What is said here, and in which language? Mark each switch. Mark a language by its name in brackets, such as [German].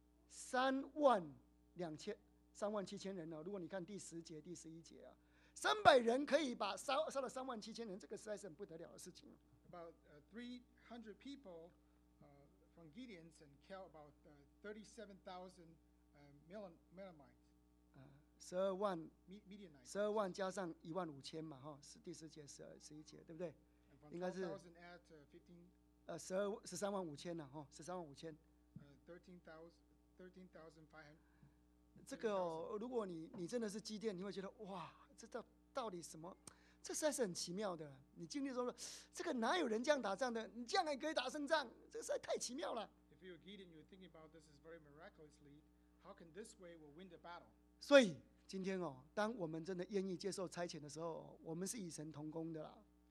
[Chinese] 三万七千人、哦、如果你看第十节、第十一节、啊、三百人可以把 杀了三万七千人，这个实在是很不得了的事情。 [English] About 300 people from Gideons and killed about 37,000 Midianites. [Chinese] 十二万加上一万五千嘛，哈，是第十节、十二、十一节，对不对？应该是13万5千呐，哈，13万5千。 13,500。这个、哦、如果你真的是基甸，你会觉得哇，这到底什么？这实在是很奇妙的。你经历说，这个哪有人这样打仗的？你这样还可以打胜仗，这实在太奇妙了。 [English] If you're Gideon, you're thinking about this is very miraculously. How can this way we'll win the battle? [Chinese] 所以今天哦，当我们真的愿意接受差遣的时候，我们是与神同工的啦。